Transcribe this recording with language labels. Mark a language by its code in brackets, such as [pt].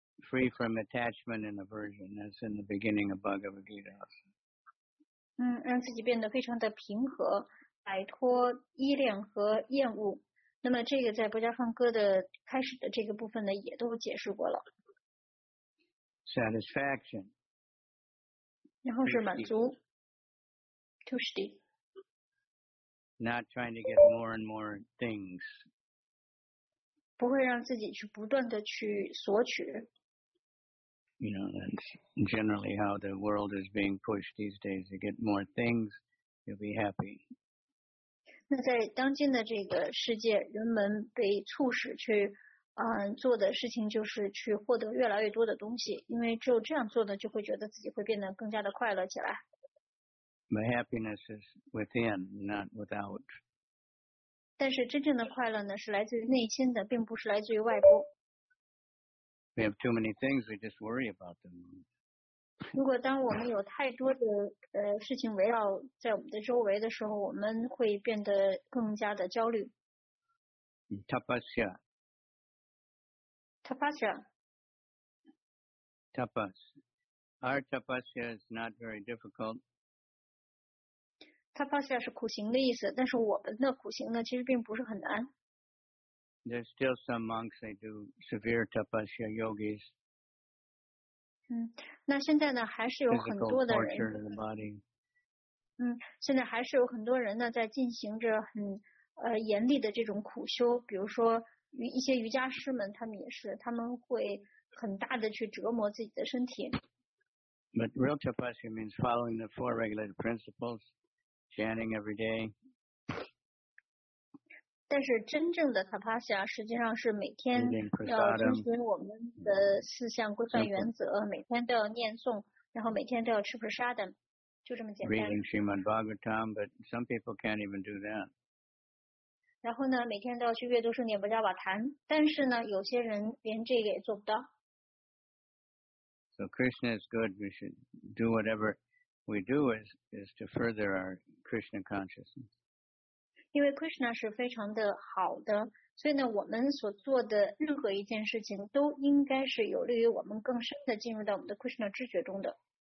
[en] Free from attachment and aversion, that's in the beginning of Bhagavad Gita. [zh] 让自己变得非常的平和，摆脱依恋和厌恶。那么这个在《薄伽梵歌》的开始的这个部分呢，也都解释过了。 [en] Satisfaction. [zh] 然后是满足。Tushti. [en] Not trying to get more and more things. [zh] 不会让自己去不断的去索取。 [en] You know, that's generally how the world is being pushed these days. To get more things, you'll be happy. [zh] 那在当今的这个世界，人们被促使去做的事情就是去获得越来越多的东西，因为只有这样做呢，就会觉得自己会变得更加的快乐起来。 [en] My happiness is within, not without. [zh] 但是真正的快乐呢，是来自于内心的，并不是来自于外部。 [en] We have too many things, we just worry about them. [zh] 如果当我们有太多的事情围绕在我们的周围的时候，我们会变得更加的焦虑。 [en] Tapasya. Tapasya. Tapas. Our tapasya is not very difficult. [zh] Tapasya 是苦行的意思，但是我们的苦行呢，其实并不是很难。 [en] There's still some monks that do severe tapasya yogis. [zh] 那现在呢，还是有很多的人。 [en] Physical torture of the body. [zh] 现在还是有很多人呢，在进行着很严厉的这种苦修，比如说一些瑜伽师们，他们也是，他们会很大的去折磨自己的身体。 [en] But real tapasya means following the four regulated principles. Chanting every day. [zh] 但是真正的 tapasya 实际上是每天要遵循我们的四项规范原则，每天都要念诵，然后每天都要吃 prasadam， 就这么简单。 [en] Reading Srimad Bhagavatam, but some people can't even do that. [zh] 然后呢，每天都要去阅读圣典《薄伽瓦坛》，但是呢，有些人连这个也做不到。 [en] So Krishna is good. We should do whatever. We do is to further our Krishna consciousness. [zh] 因为 Krishna 是非常的好的，所以呢，我们所做的任何一件事情都应该是有利于我们更深的进入到我们的 Krishna 知觉中的。